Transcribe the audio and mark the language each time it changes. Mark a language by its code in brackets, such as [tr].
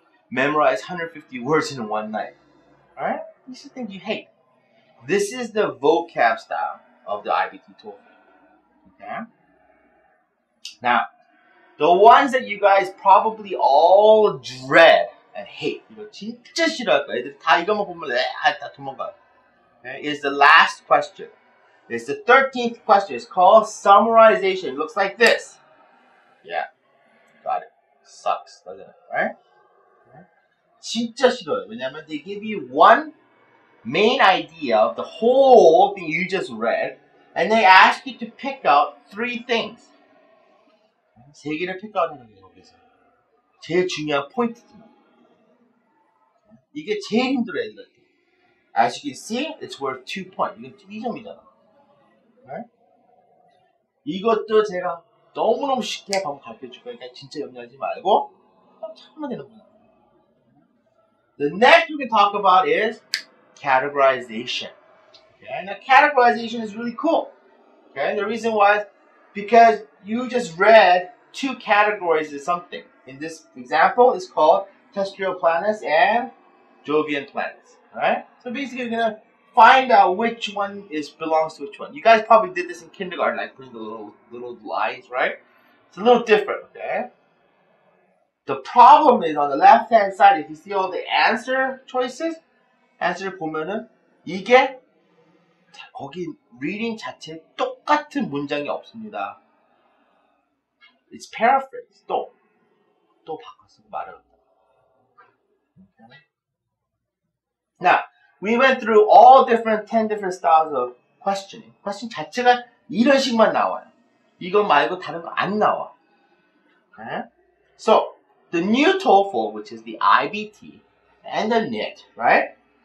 [en] Memorize 150 words in one night. Alright? This is the thing you hate. This is the vocab style of the IBT TOEFL. Okay? Now, the ones that you guys probably all dread and hate, you know, [ko] 진짜 싫어할 거야. 다 이거만 보면 다 도망가. [en] Okay? Is the last question. It's the 13th question. It's called summarization. It looks like this. Yeah. Got it. Sucks, doesn't it? Right? [ko] 진짜 싫어요. [en] 왜냐면 they give you one main idea of the whole thing you just read, and they ask you to pick out three things. [ko] 세 개를 pick out 하는 거예요, 거기서. 제일 중요한 포인트지만. 이게 제일 힘들어, 애들한테. [en] As you can see, it's worth 2 points. [ko] 이건 2점이잖아. [en] Right? [ko] 이것도 제가 너무너무 쉽게 방금 가르쳐 줄 거니까 진짜 염려하지 말고, 참아야 되는구나. [en] The next we can talk about is categorization. Okay? Now categorization is really cool. Okay? And the reason why is because you just read two categories of something. In this example, it's called terrestrial planets and Jovian planets. Right? So basically, you're going to find out which one is belongs to which one. You guys probably did this in kindergarten, like putting the little lines, right? It's a little different, okay? The problem is on the left-hand side, if you see all the answer choices, answer [ko] 보면은 이게 거기 reading 자체 똑같은 문장이 없습니다. [en] It's paraphrase. [ko] 또 바꿔서 말을 한다. [en] Now, we went through all different 10 different styles of questioning. [ko] Question 자체가 이런 식만 나와요. 이거 말고 다른 거 안 나와. [en] Okay? So, the new TOEFL, which is the IBT and the NIT, right?